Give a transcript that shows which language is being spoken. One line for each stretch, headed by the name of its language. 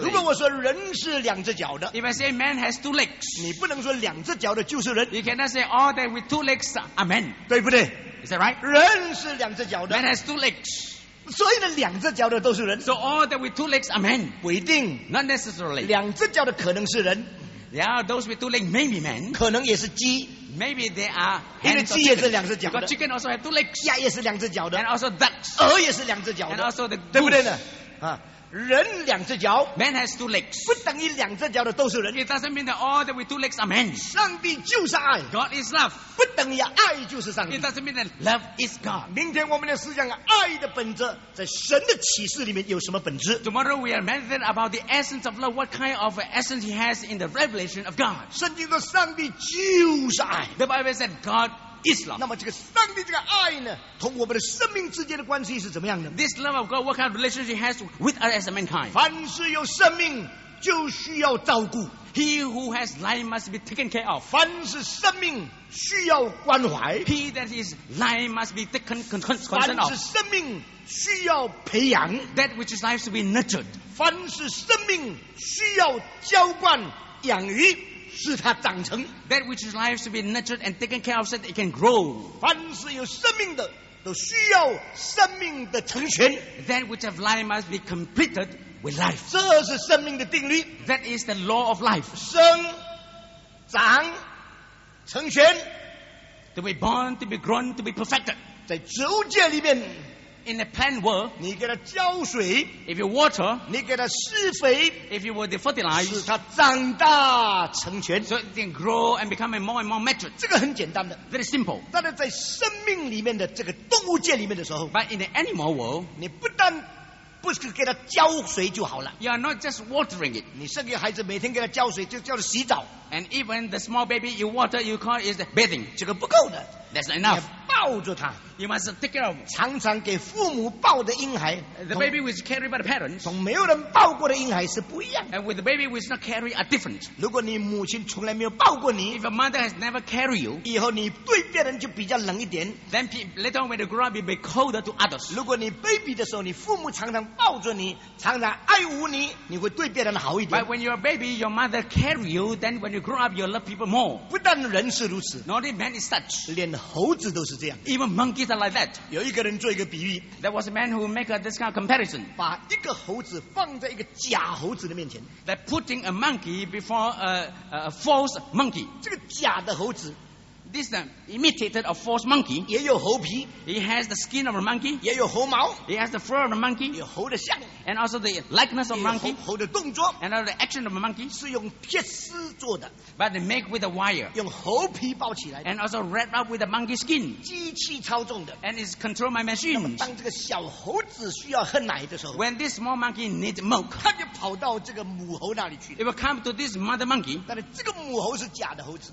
Chinese: 如果我说人是两只脚的
English: ，if I say man has two legs，
Chinese: 你不能说两只脚的就是人
English: ，you cannot say all that with two legs are men，
Chinese: 对不对？
English: Is that right?
Chinese: 人是两只脚的
English: ，man has two legs。
Chinese: 所有的两只脚的都是人
English: ，so all that with two legs are men。
Chinese: 不一定
English: ，not necessarily。
Chinese: 两只脚的可能是人
English: ，yeah， those with two legs may be men。
Chinese: 可能也是鸡
English: ，maybe they are。
Chinese: 因为鸡也是两只脚的
English: ，because chicken also have two legs。
Chinese: 鸭也是两只脚的
English: ，and also ducks。
Chinese: 鹅也是两只脚的
English: ，and also the goose。
Chinese: 对不对呢？啊。人两只脚
English: ，man has two legs，
Chinese: 不等于两只脚的都是人。
English: It doesn't mean that all that with two legs are men。
Chinese: 上帝就是爱
English: ，God is love，
Chinese: 不等于爱就是上帝。
English: It doesn't mean that love is God。
Chinese: 明天我们的思想，爱的本质在神的启示里面有什么本质
English: ？Tomorrow we are meditating about the essence of love. What kind of essence he has in the revelation of God？
Chinese: 圣经说上帝就是爱
English: ，The Bible said God。 Islam.
Chinese: 那么这个上帝这个爱呢，同我们的生命之间的关系是怎么样的
English: ？This love of God, what kind of relationship has with us as a mankind?
Chinese: 凡是有生命就需要照顾。
English: He who has life must be taken care of.
Chinese: 凡是生命需要关怀。
English: He that is life must be taken concern of.
Chinese: 凡是生命需要培养。
English: That which is life should be nurtured.
Chinese: 凡是生命需要浇灌养育。使它长成
English: That which is life should be nurtured and taken care of so that it can grow.
Chinese: 凡是有生命的都需要生命的成全
English: That which of life must be completed with life.
Chinese: 这是生命的定律
English: That is the law of life.
Chinese: 生长成全
English: To be born, to be grown, to be perfected.
Chinese: 在植物界里面
English: In the plant world,
Chinese: 你给它浇水
English: If you water,
Chinese: 你给它施肥
English: If you were to fertilize,
Chinese: 使它长大成全
English: So it can grow and become more and more mature.
Chinese: 这个很简单的
English: Very simple.
Chinese: 但是在生命里面的这个动物界里面的时候
English: But in the animal world,
Chinese: 你不但不是给它浇水就好了
English: You are not just watering it.
Chinese: 你生个孩子每天给它浇水就叫做洗澡
English: And even the small baby you water, you call it bathing.
Chinese: 这个不够的
English: That's not enough.
Chinese: 抱住他
English: you must take care of him.
Chinese: 常常给父母抱的婴孩
English: the baby which is carried by the parents
Chinese: 从没有人抱过的婴孩是不一样
English: and with the baby which is not carried are different
Chinese: 如果你母亲从来没有抱过你
English: if your mother has never carried you
Chinese: 以后你对别人就比较冷一点
English: then later on when you grow up you'll be colder to others
Chinese: 如果你 baby 的时候你父母常常抱着你常常爱护你你会对别人好一点
English: but when you're a baby your mother carry you then when you grow up you'll love people more
Chinese: 不但人是如此
English: not only man is such
Chinese: 连猴子都是这样
English: even monkeys are like that
Chinese: 有一个人做一个比喻
English: there was a man who make this kind of comparison
Chinese: 把一个猴子放在一个假猴子的面前
English: that putting a monkey before a false monkey
Chinese: 这个假的猴子
English: this imitated a false monkey
Chinese: 也有猴皮
English: he has the skin of a monkey
Chinese: 也有猴毛
English: he has the fur of a monkey
Chinese: 有猴的像
English: and also the likeness of a monkey
Chinese: 也有猴的动作
English: and also the action of a monkey
Chinese: 是用铁丝做的
English: but they make with a wire
Chinese: 用猴皮包起来
English: and also wrap up with a monkey skin
Chinese: 机器操纵的
English: and it's controlled by machines
Chinese: 那么当这个小猴子需要喝奶的时候
English: when this small monkey needs milk
Chinese: 它就跑到这个母猴那里去
English: it will come to this mother monkey
Chinese: 但是这个母猴是假的猴子